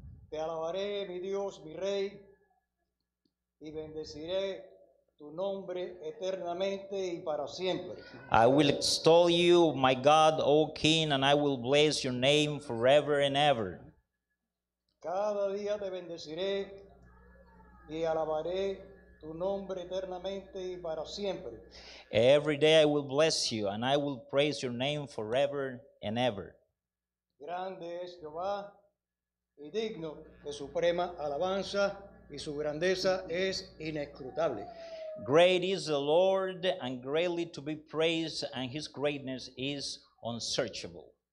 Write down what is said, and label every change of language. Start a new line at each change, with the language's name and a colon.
Spanish: Te alabaré, mi Dios, mi Rey, y bendeciré tu nombre eternamente y para siempre.
English: I will extol you, my God, O King, and I will bless your name forever and ever.
Spanish: Cada día te bendeciré y alabaré tu nombre eternamente y para siempre.
English: Every day I will bless you and I will praise your name forever and ever.
Spanish: Grande es Jehová y digno de suprema alabanza, y su grandeza es inescrutable.
English: Great is the Lord and greatly to be praised, and his greatness is unsearchable.